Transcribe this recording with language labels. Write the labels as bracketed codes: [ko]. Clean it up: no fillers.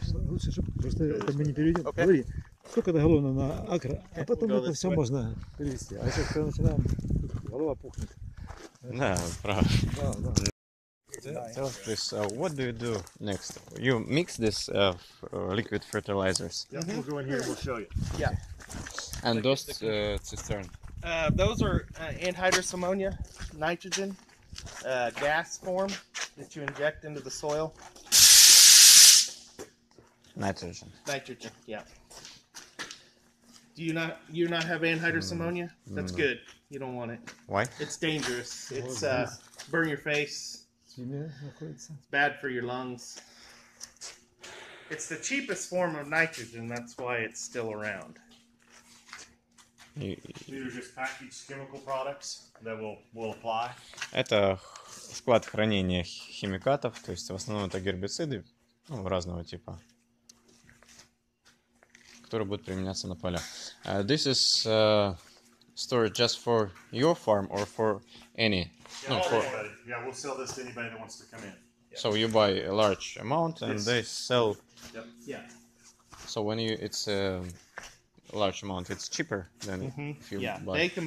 [ru] Лучше, чтобы просто это мы не переведем. [en] Okay. [ru] Говори, сколько это галлона на акр, а потом это все way. Можно перевести. А сейчас, когда начинаем, голова пухнет. Да, правда. Да, да. [en] Tell us this, what do you do next? You mix this liquid fertilizers. Yeah, mm-hmm. We'll go in here and we'll show you. Yeah. And those cistern? Those are anhydrous ammonia, nitrogen, gas form that you inject into the soil. Nitrogen. Nitrogen, yeah. Do you not, have anhydrous ammonia? That's good. You don't want it. Why? It's dangerous. It's burn your face. It's bad for your lungs. It's the cheapest form of nitrogen, that's why it's still around. These are just packaged chemical products that we'll apply. [ru] Это склад хранения химикатов, то есть в основном это гербициды, ну, разного типа, которые будут применяться на полях. [en] This is storage just for your farm or for any? Yeah, no, for anybody. Yeah, we'll sell this to anybody that wants to come in. Yeah. So you buy a large amount and they sell. Yep. Yeah. So when it's a large amount, it's cheaper than if you buy.